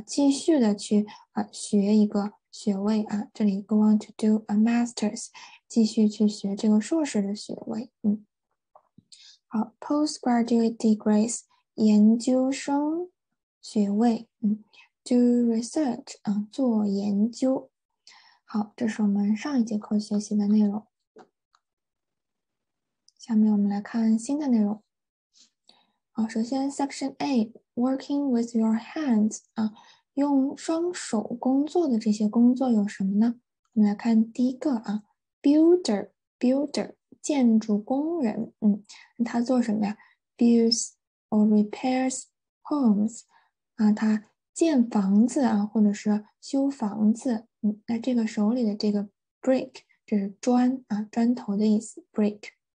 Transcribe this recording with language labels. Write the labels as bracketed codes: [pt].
[zh] 继续的去学一个学位这里 [en] go on to do a master's [zh] 继续去学这个硕士的学位好， [en] postgraduate degrees [zh] 研究生学位 [en] do research [zh] 做研究好，这是我们上一节课学习的内容。下面我们来看新的内容。好，首先 [en] Section A，working with your hands [zh] 用双手工作的这些工作有什么呢？我们来看第一个啊，builder，建筑工人，他做什么呀？ [en] builds or repairs homes， [zh] 他建房子啊，或者是修房子，那这个手里的这个 brick，这是砖啊，砖头的意思，brick。